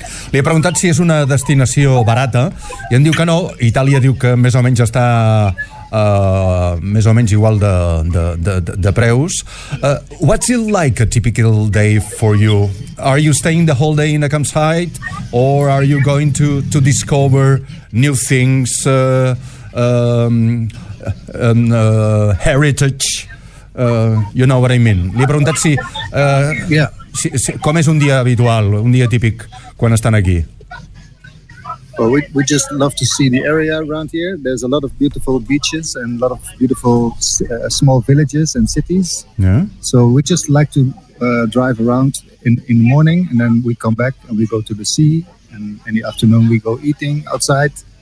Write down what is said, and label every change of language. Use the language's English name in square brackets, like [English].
[Catalan] Li he preguntat si és una destinació barata, i em diu que no. Itàlia diu que més o menys està més o menys igual de preus. [English] What's it like, a typical day for you? Are you staying the whole day in a campsite, or are you going to discover new things, heritage? You know what I mean. [Catalan] Li he preguntat si, si com és un dia habitual, un dia típic quan estan aquí. [English] Well, we just love to see the area around here. There's a lot of beautiful beaches and a lot of beautiful small villages and cities. Yeah. So we just like to drive around in the morning, and then we come back and we go to the sea, and in the afternoon we go eating outside.